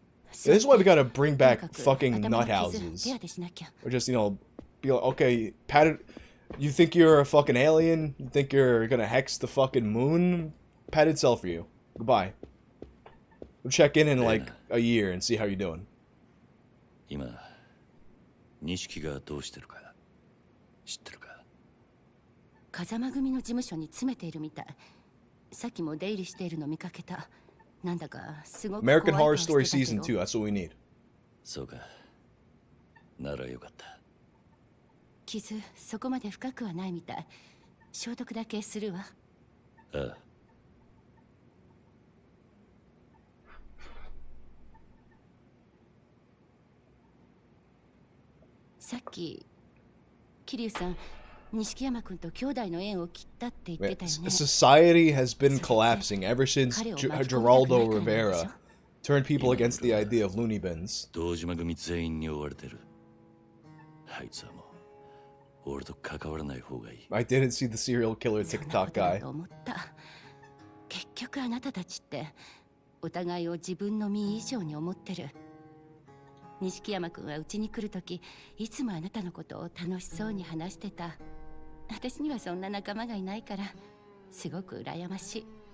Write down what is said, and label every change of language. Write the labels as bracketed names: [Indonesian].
[English] This is why we gotta bring back fucking nuthouses. Or just, you know, be like, okay, Pat, you think you're a fucking alien? You think you're gonna hex the fucking moon? Pat itself for you. Goodbye. We'll check in like a year and see how you're doing. [Japanese] 今、錦がどうしてるか知ってるか。風間組の事務所に詰めているみたい。さっきも出入りしているの見かけた。なんだかすごく。 [English] American Horror Story Season 2. That's what we need. [Japanese] そうか。ならよかった。傷そこまで深くはないみたい。消毒だけするわ。ああ。さっき、キリュウさん、錦山君と兄弟の縁を切ったって言ってたよね。 [English] Society has been collapsing ever since Geraldo Rivera turned people against the idea of loony bins。 [Japanese] 堂島組全員に追われてる。あいつはもう。俺と関わらない方がいい。 [English] I didn't see the serial killer TikTok guy。 [Japanese] 思った。結局あなたたちってお互いを自分の身以上に思ってる。錦山君はうちに来るとき、いつもあなたのことを楽しそうに話してた。私にはそんな仲間がいないから、すごく羨ましい。